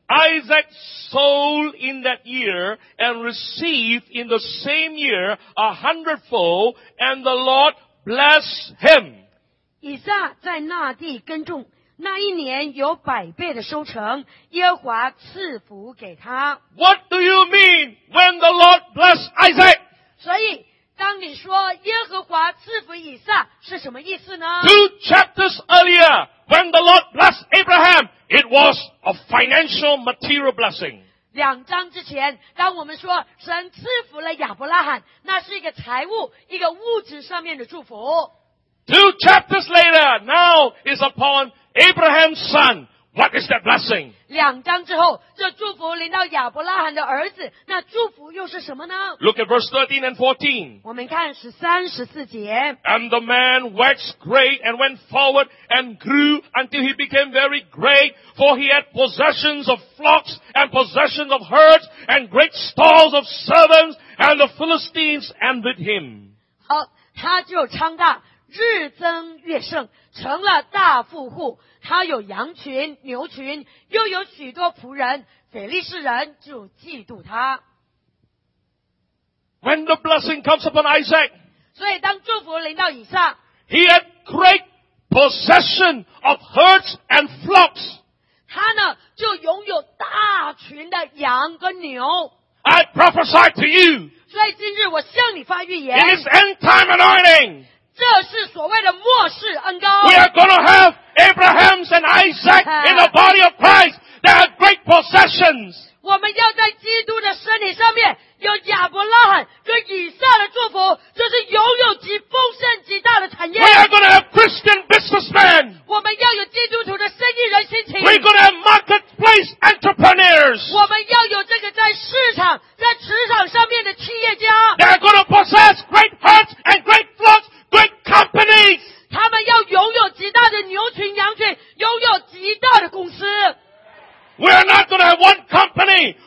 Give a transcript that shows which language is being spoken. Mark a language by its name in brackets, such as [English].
[English] Isaac sold in that year and received in the same year a hundredfold, and the Lord blessed him. [Chinese] 以撒在那地耕种，那一年有百倍的收成，耶和华赐福给他。 [English] What do you mean when the Lord blessed Isaac? [Chinese] 所以当你说耶和华赐福以撒是什么意思呢？ [English] Two chapters earlier, when the Lord blessed Abraham, it was a financial material blessing. [Chinese] 两章之前，当我们说神赐福了亚伯拉罕，那是一个财务，一个物质上面的祝福。 [English] Two chapters later, now is upon Abraham's son. What is that blessing? [Chinese] 两章之后，这祝福临到亚伯拉罕的儿子，那祝福又是什么呢？ [English] Look at verse 13 and 14. [Chinese] 我们看13、14节。 [English] And the man waxed great and went forward and grew until he became very great, for he had possessions of flocks and possessions of herds and great stores of servants, and the Philistines envied him. [Chinese] 好，他就昌大，日增月盛，成了大富户。他有羊群、牛群，又有许多仆人，腓力士人就嫉妒他。 [English] When the blessing comes upon Isaac, [Chinese] 所以当祝福临到以撒， [English] he had great possession of herds and flocks. [Chinese] 他呢就拥有大群的羊跟牛。 [English] I prophesy to you, [Chinese] 所以今日我向你发预言， [English] it is end time anointing. [Chinese] 这是所谓的末世恩膏。 [English] We are going to have Abraham and Isaac in the body of Christ. They are great possessions. [Chinese] 我们要在基督的身体上面有亚伯拉罕跟以撒的祝福，就是拥有极丰盛极大的产业。 [English] We are going to have Christian businessmen. [Chinese] 我们要有基督徒的生意人心情。 [English] We are going to have marketplace entrepreneurs. [Chinese] 我们要有这个在市场、在职场上面的企业家。 [English] They are going to possess great herds and great flocks. Great companies. [Chinese] 他们要拥有极大的牛群、羊群，拥有极大的公司。 [English] We are not going to have one company.